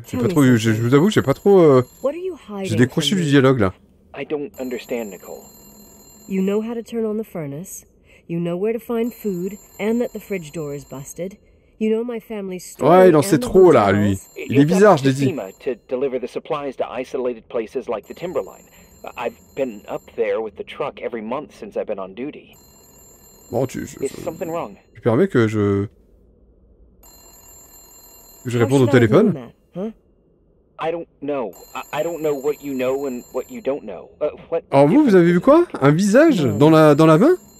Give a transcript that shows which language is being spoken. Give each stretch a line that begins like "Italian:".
French: J'ai pas trop, je vous avoue, j'ai pas trop. J'ai décroché du dialogue là.
English: I don't understand, Nicole. You know how to turn on the furnace. You know where to find food, and that the fridge door is busted. You know my family's story.
French: Ouais, il en sait trop là, lui. Il est bizarre, je l'ai dit.
English: To deliver the supplies to isolated places like the Timberline. I've been up there with the truck every month since I've been on duty.
French: Bon, tu permets que je réponde au téléphone? Alors vous avez vu quoi? Un visage dans la main?